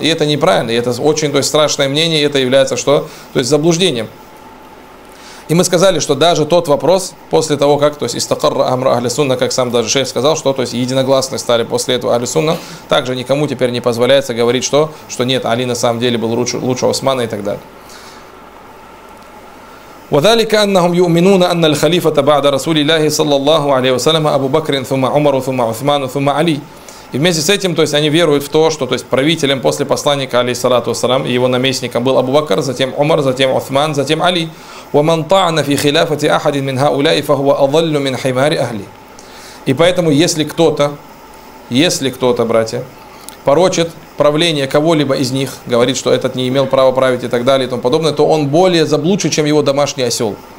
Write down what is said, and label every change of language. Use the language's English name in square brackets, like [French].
[Russian] И это неправильно, и это очень, то есть, страшное мнение, и это является что? То есть заблуждением. И мы сказали, что даже тот вопрос, после того, как, то есть, истакарра амра ахли сунна, как сам даже шейх сказал, что, то есть, единогласны стали после этого ахли сунна, также никому теперь не позволяется говорить, что, что нет, Али на самом деле был лучше Османа и так далее. [Arabic] وذلك أنهم يؤمنون أن الخليفة بعد رسول الله صلى الله عليه وسلم أبو بكر ثم عمر ثم عثمان ثم علي. [Russian] И вместе с этим, то есть они веруют в то, что то есть, правителем после посланника, алейхиссалату вассалям, и его наместником был Абу Бакр, затем Умар, затем Усман, затем Али. [Arabic] وَمَنْ طَعْنَ فِي خِلَافَةِ أَحَدٍ مِنْ هَؤُلَاءِ فَهُوَ أَضَلُّ مِنْ حِمَارِ أَهْلِ. [Russian] И поэтому, если кто-то, братья, порочит правление кого-либо из них, говорит, что этот не имел права править и так далее и тому подобное, то он более заблудший, чем его домашний осел.